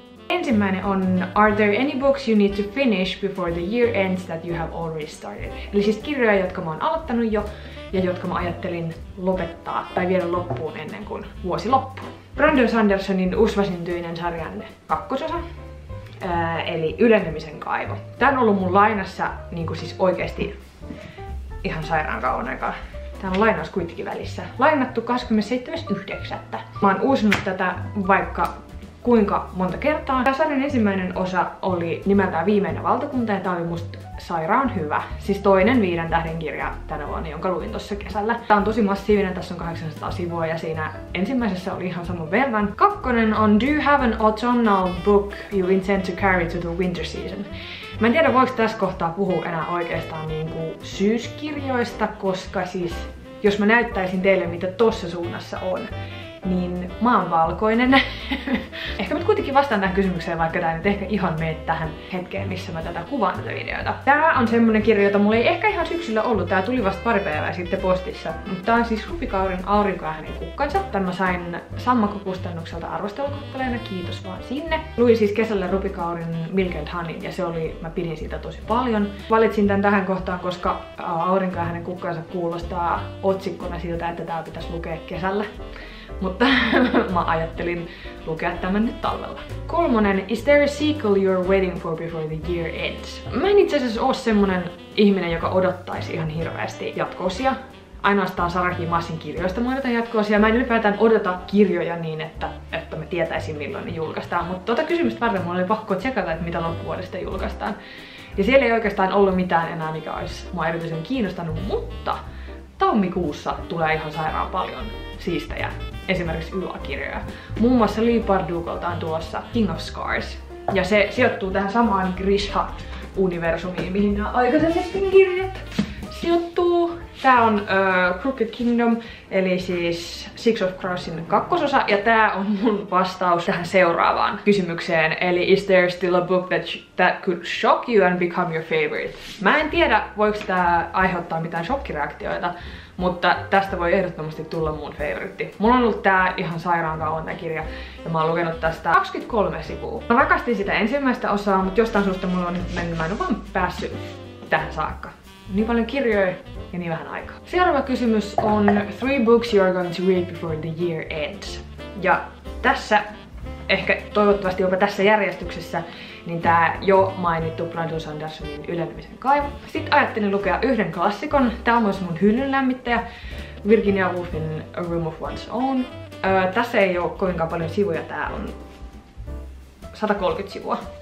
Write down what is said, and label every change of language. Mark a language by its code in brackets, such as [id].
[fi] Ensimmäinen on, [en] are there any books you need to finish before the year ends that you have already started? [fi] Eli siis kirjoja, jotka mä oon aloittanut jo ja jotka mä ajattelin lopettaa tai viedä loppuun ennen kuin vuosi loppuu. Brandon Sandersonin Usvasyntyinen sarjan kakkososa, eli Ylennymisen kaivo. Tää on ollut mun lainassa niin kuin siis oikeesti ihan sairaan kauan aikaa. Tää on lainaus kuitenkin välissä. Lainattu 27.9. Mä oon uusinut tätä vaikka kuinka monta kertaa. Tämä sarjan ensimmäinen osa oli nimeltään Viimeinen valtakunta ja tämä oli musta sairaan hyvä. Siis toinen 5 tähden kirja tänä vuonna, jonka luin tuossa kesällä. Tämä on tosi massiivinen, tässä on 800 sivua ja siinä ensimmäisessä oli ihan saman verran. Kakkonen on [en] Do you have an autumnal book you intend to carry to the winter season? [fi] Mä en tiedä, voiko tässä kohtaa puhua enää oikeastaan niinku syyskirjoista, koska siis jos mä näyttäisin teille, mitä tossa suunnassa on, niin mä oon valkoinen. Ehkä mä kuitenkin vastaan tähän kysymykseen, vaikka tää nyt ehkä ihan mene tähän hetkeen, missä mä tätä kuvaan tätä videota. Tää on semmonen kirja, jota mulla ei ehkä ihan syksyllä ollut. Tää tuli vasta pari päivää sitten postissa. Mutta tää on siis Rupikaurin Aurinko ja hänen kukkansa. Tän mä sain Sammakko-kustannukselta arvostelukappaleena, kiitos vaan sinne. Luin siis kesällä Rupikaurin Milk and Honey ja se oli, mä pidin siitä tosi paljon. Valitsin tän tähän kohtaan, koska Aurinko ja hänen kukkansa kuulostaa otsikkona siltä, että tää pitäisi lukea kesällä. Mutta mä ajattelin lukea tämän nyt talvella. Kolmonen, [en] is there a sequel you're waiting for before the year ends? [fi] Mä en itse asiassa oo semmonen ihminen, joka odottaisi ihan hirveästi jatko-osia. Ainoastaan Sarah J. Maasin kirjoista mä odotan jatko-osia. Mä en ylipäätään odota kirjoja niin, että mä tietäisin milloin ne julkaistaan. Mutta tuota kysymystä varten mulla oli pakko tsekata, että mitä loppuvuodesta julkaistaan. Ja siellä ei oikeastaan ollut mitään enää, mikä olisi mua erityisen kiinnostanut, mutta tammikuussa tulee ihan sairaan paljon siistejä. Esimerkiksi YA-kirjoja. Muun muassa Leigh Bardugolta on tuossa King of Scars. Ja se sijoittuu tähän samaan Grisha-universumiin, mihin nämä aikaisemmin kirjat sijoittuu. Tää on Crooked Kingdom, eli siis Six of Crowsin kakkososa. Ja tää on mun vastaus tähän seuraavaan kysymykseen. Eli [en] is there still a book that could shock you and become your favorite? [fi] Mä en tiedä, voiko tää aiheuttaa mitään shokkireaktioita. Mutta tästä voi ehdottomasti tulla mun favoritti. Mulla on ollut tää ihan sairaan kauan tää kirja ja mä oon lukenut tästä 23 sivua. Mä rakastin sitä ensimmäistä osaa, mutta jostain suusta mulla on nyt mennyt, mä en oo vaan päässyt tähän saakka. Niin paljon kirjoja ja niin vähän aikaa. Seuraava kysymys on [en] three books you are going to read before the year ends. [fi] Ja tässä, ehkä toivottavasti jopa tässä järjestyksessä, niin tää jo mainittu Brandon Sandersonin Ylennymisen kaivo. Sitten ajattelin lukea yhden klassikon. Tää on myös mun hyllyn lämmittäjä, Virginia Woolfin A Room of One's Own. Tässä ei oo kovinkaan paljon sivuja, tää on 130 sivua.